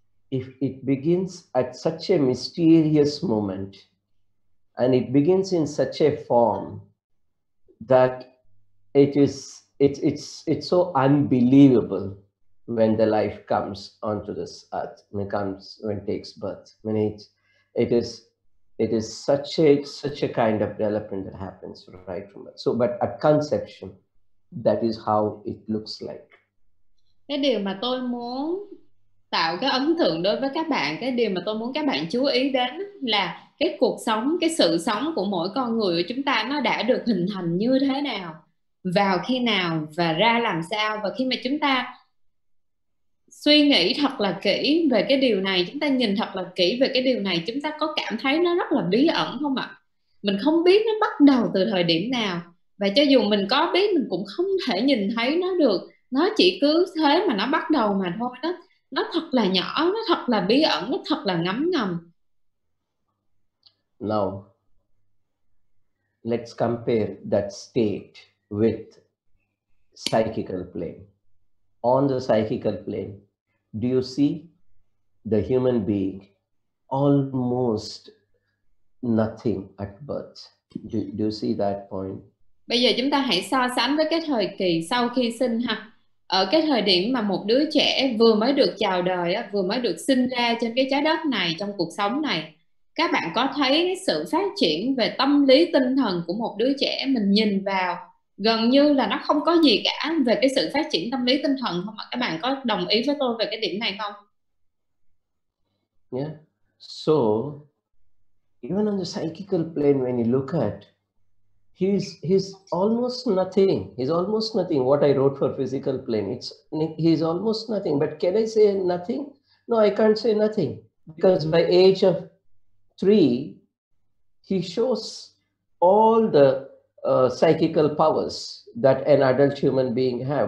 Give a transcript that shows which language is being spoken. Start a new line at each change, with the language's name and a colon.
English: If it begins at such a mysterious moment, and it begins in such a form that it's so unbelievable when the life comes onto this earth, when it takes birth, when it is such a kind of development that happens right from it. So, but at conception, that is how it looks like.
Vietnamese: Cái điều mà tôi muốn tạo cái ấn tượng đối với các bạn, cái điều mà tôi muốn các bạn chú ý đến là cái cuộc sống, cái sự sống của mỗi con người của chúng ta nó đã được hình thành như thế nào, vào khi nào và ra làm sao. Và khi mà chúng ta suy nghĩ thật là kỹ về cái điều này, chúng ta nhìn thật là kỹ về cái điều này, chúng ta có cảm thấy nó rất là bí ẩn không ạ? Mình không biết nó bắt đầu từ thời điểm nào, và cho dù mình có biết, mình cũng không thể nhìn thấy nó được. Nó chỉ cứ thế mà nó bắt đầu mà thôi đó. Nó thật là nhỏ, nó thật là bí ẩn, nó thật là ngấm ngầm.
English: Now, let's compare that state with psychical plane. On the psychical plane, do you see the human being almost nothing at birth? Do you see that point?
Vietnamese: Bây giờ chúng ta hãy so sánh với cái thời kỳ sau khi sinh ha. Ở cái thời điểm mà một đứa trẻ vừa mới được chào đời, vừa mới được sinh ra trên cái trái đất này, trong cuộc sống này, các bạn có thấy sự phát triển về tâm lý tinh thần của một đứa trẻ mình nhìn vào gần như là nó không có gì cả về cái sự phát triển tâm lý tinh thần không ạ? Các bạn có đồng ý với tôi về cái điểm này không? Yeah.
English: So, even on the psychical plane, when you look at, he's almost nothing. He's almost nothing. What I wrote for physical plane, he's almost nothing. But can I say nothing? No, I can't say nothing. Because by age of 3, he shows all the psychical powers that an adult human being have.